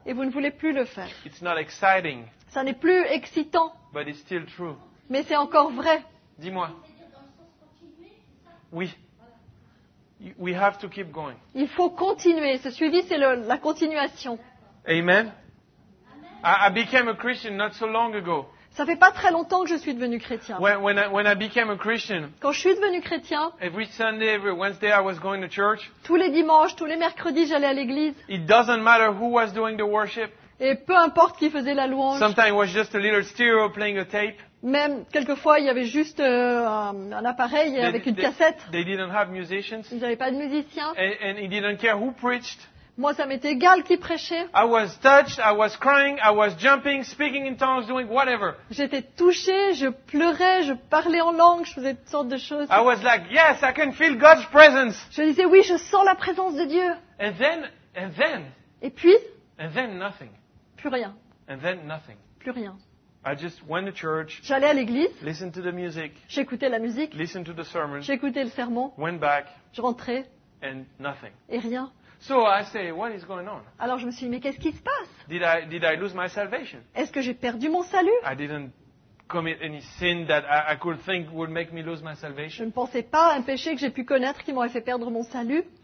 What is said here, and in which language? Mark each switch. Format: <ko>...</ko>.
<fr>Et vous ne voulez plus le faire.</fr> <en>It's not exciting.</en> <fr>Ça n'est plus excitant.</fr> <en>But it's still true.</en> <fr>Mais c'est encore vrai. Dis-moi.</fr> <en>Oui. We have to keep going.</en> <fr>Il faut continuer. Ce suivi c'est la continuation. Amen.</fr> <en>I became a Christian not so long ago.</en> <fr>Ça fait pas très longtemps que je suis devenu chrétien.</fr> <en>When I became a Christian,</en> <fr>quand je suis devenu chrétien,</fr> <en>every Sunday, every Wednesday, I was going to church,</en> <fr>tous les dimanches, tous les mercredis, j'allais à l'église.</fr> <en>It doesn't matter who was doing the worship.</en> <fr>Et peu importe qui faisait la louange.</fr> <en>Sometimes it was just a little stereo playing a tape.</en> <fr>Même quelquefois, il y avait juste un appareil avec une cassette.</fr> <en>They didn't have musicians.</en> <fr>Ils n'avaient pas de musiciens.</fr> <en>And he didn't care who preached.</en> <fr>Moi, ça m'était égal qui prêchait.</fr> <en>I was touched, I was crying, I was jumping, speaking in tongues, doing whatever.</en> <fr>J'étais touché, je pleurais, je parlais en langue, je faisais toutes sortes de choses.</fr> <en>I was like, yes, I can feel God's presence.</en> <fr>Je disais oui, je sens la présence de Dieu.</fr> <en>And then.</en> <fr>Et puis.</fr> <en>And then nothing.</en> <fr>Plus rien.</fr> <en>And then nothing.</en> <fr>Plus rien.</fr> <en>I just went to church.</en> <fr>J'allais à l'église.</fr> <en>Listened to the music.</en> <fr>J'écoutais la musique.</fr> <en>Listened to the sermon.</en> <fr>J'écoutais le sermon.</fr> <en>Went back.</en> <fr>Je rentrais.</fr> <en>And nothing.</en> <fr>Et rien.</fr> <en>So I say, what is going on?</en> <fr>Alors je me suis dit, mais qu'est-ce qui se passe?</fr> <en>Did I lose my salvation?</en> <fr>Est-ce que j'ai perdu mon salut?</fr> <en>I didn't commit any sin that I could think would make me lose my salvation.</en> <fr>Je ne pensais pas à un péché que j'ai pu connaître qui m'aurait fait perdre mon salut.</fr>